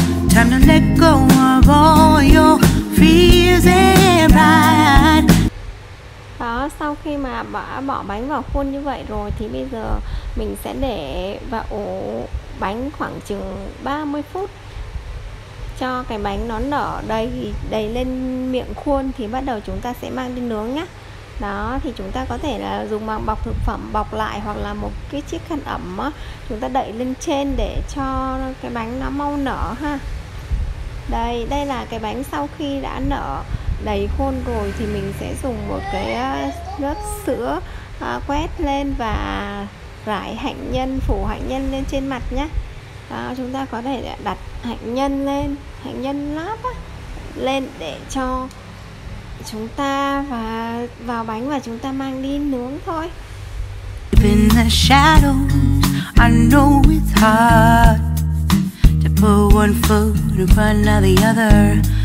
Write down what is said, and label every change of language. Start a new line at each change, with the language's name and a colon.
English: Time to let go of all your fears and pride.
Vietnamese: Đó, sau khi mà bỏ bánh vào khuôn như vậy rồi thì bây giờ mình sẽ để và ủ bánh khoảng chừng 30 phút cho cái bánh nó nở đầy đầy lên miệng khuôn thì bắt đầu chúng ta sẽ mang đi nướng nhá. Đó thì chúng ta có thể là dùng bằng bọc thực phẩm bọc lại hoặc là một cái chiếc khăn ẩm á, chúng ta đậy lên trên để cho cái bánh nó mau nở ha. Đây đây là cái bánh sau khi đã nở đầy khuôn rồi thì mình sẽ dùng một cái lớp sữa quét lên và rải hạnh nhân, phủ hạnh nhân lên trên mặt nhé. Chúng ta có thể đặt hạnh nhân lên, hạnh nhân lát á, lên để cho chúng ta và vào bánh và chúng ta mang đi nướng thôi.
English: In the shadows, I know it's hard to put one foot in front of the other.